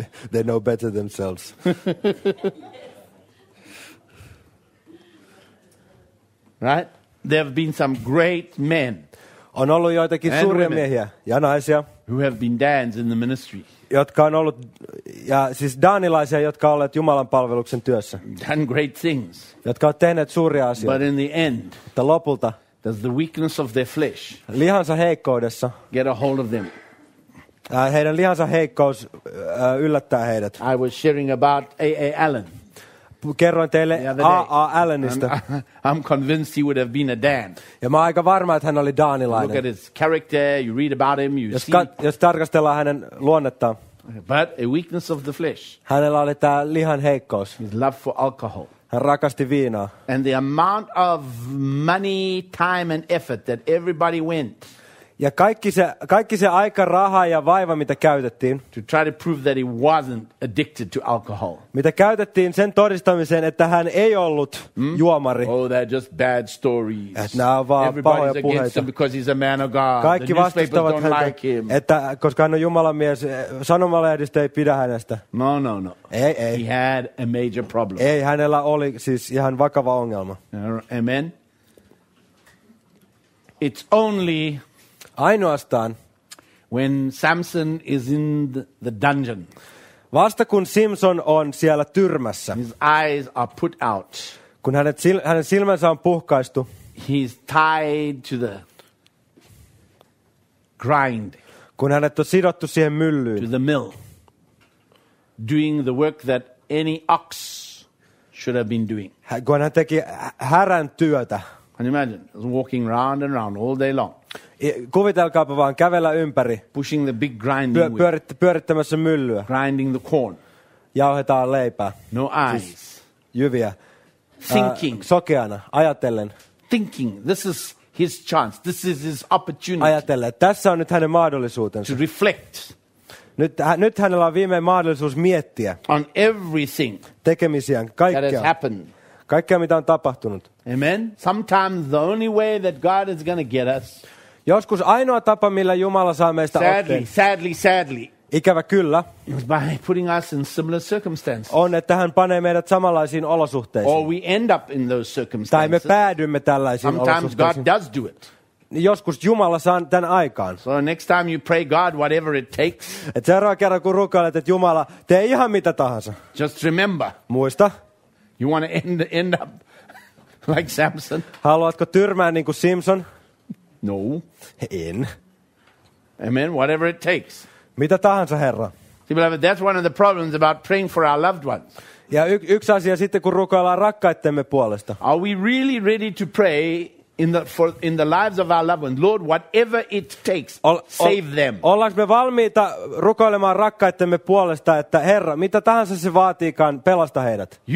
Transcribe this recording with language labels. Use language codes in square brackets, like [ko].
[en] They know better themselves. Right? There have been some great men. [fi] On ollut joitakin suuria miehiä ja naisia. [en] Who have been Dans in the ministry. [fi] Jotka on ollut, ja siis danilaisia, jotka ovat olleet Jumalan palveluksen työssä. [en] Done great things. [fi] Jotka ovat tehneet suuria asioita. [en] But in the end. [fi] Mutta lopulta. [en] Does the weakness of their flesh. [fi] Lihansa heikkoudessa. [en] Get a hold of them. [fi] Heidän lihansa heikkous yllättää heidät. [en] I was sharing about A.A. Allen. [fi] Kerroin teille A.A. Allenista. [en] I'm convinced he would have been a Dan. [fi] Ja mä oon aika varma, että hän oli danilainen. [en] Look at his character, you read about him, you [fi] jos [en] see. [fi] Jos tarkastellaan hänen luonnettaan. [en] But a weakness of the flesh. [fi] Hänellä oli tää lihan heikkous. [en] His love for alcohol. [fi] Hän rakasti viinaa. [en] And the amount of money, time and effort that everybody went. [fi] Ja kaikki se aika, raha ja vaiva, mitä käytettiin. [en] To try to prove that he wasn't addicted to alcohol. [fi] Mitä käytettiin sen todistamiseen, että hän ei ollut juomari. [en] Oh, they're just bad stories. [fi] Et nää on vaan pahoja puheita. [en] Because he's a man of God. [fi] Kaikki vastustavat häntä, [en] like him. [fi] Että koska hän on Jumalan mies, sanomalehdistö ei pidä hänestä. [en] No. [fi] Ei. [en] He had a major problem. [fi] Ei, hänellä oli siis ihan vakava ongelma. [en] Amen. It's only... [fi] Ainoastaan [en] when Samson is in the dungeon. [fi] Vasta kun Simpson on siellä tyrmässä. [en] His eyes are put out. [fi] Kun hänen silmänsä on puhkaistu. [en] He's tied to the grind. [fi] Kun hänet on sidottu siihen myllyyn. [en] To the mill. Doing the work that any ox should have been doing. [fi] Kun hän teki härän työtä. [en] And imagine walking round and round all day long. [fi] Kuvitelkaapa vaan kävellä ympäri. [en] Pushing the big grinding wheel. [fi] Pyörittämässä myllyä. [en] Grinding the corn. [fi] Jauhetaan leipää. [en] No eyes. [fi] Siis jyviä. [en] Thinking. [fi] Sokeana, ajatellen. [en] Thinking. This is his chance. This is his opportunity. [fi] Ajatellen. Tässä on nyt hänen mahdollisuutensa. [en] To reflect. [fi] Nyt hänellä on viimein mahdollisuus miettiä. [en] On everything. [fi] Tekemisiään. Kaikkea. [en] That has happened. [fi] Kaikkea, mitä on tapahtunut. [en] Amen. Sometimes the only way that God is going to get us. [fi] Joskus ainoa tapa, millä Jumala saa meistä [en] sadly, [fi] ikävä kyllä, [en] by putting us in similar circumstances. [fi] On, että hän panee meidät samanlaisiin olosuhteisiin. [en] Or we end up in those circumstances. [fi] Tai me päädymme tällaisiin [en] sometimes [fi] olosuhteisiin. [en] God does do it. [fi] Joskus Jumala saa tämän aikaan. [en] So next time you pray God whatever it takes. [fi] Et seuraava kerran, kun rukoilet, että Jumala, tee ihan mitä tahansa. [en] Just remember. [fi] Muista. [en] You want to end up like Samson? [fi] Haluatko tyrmää niin kuin Simpson? [en] No. [fi] En. [en] Amen. Whatever it takes. [fi] Mitä tahansa, Herra. [en] See, beloved, that's one of the problems about praying for our loved ones. [fi] Ja yksi asia sitten, kun rukoillaan rakkaittemme puolesta. [en] Are we really ready to pray in the lives of our loved ones? Lord, whatever it takes, save them. [fi] Ollaanko me valmiita rukoilemaan rakkaittemme puolesta, että Herra, mitä tahansa se vaatiikaan, pelasta heidät.